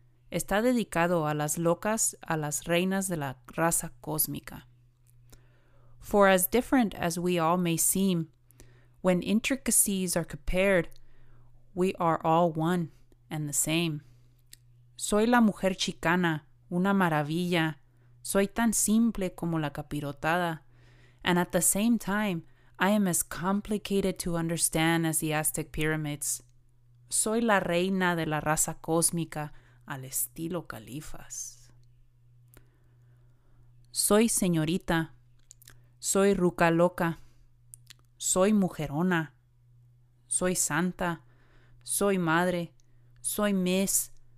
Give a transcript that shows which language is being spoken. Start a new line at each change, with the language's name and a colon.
Spanish: Está dedicado a las locas, a las reinas de la raza cósmica.
English: For as different as we all may seem, when intricacies are compared, we are all one and the same.
Spanish: Soy la mujer chicana, una maravilla. Soy tan simple como la capirotada.
English: And at the same time, I am as complicated to understand as the Aztec pyramids.
Spanish: Soy la reina de la raza cósmica al estilo califas. Soy señorita. Soy ruca loca. Soy mujerona. Soy santa. Soy madre. Soy miss.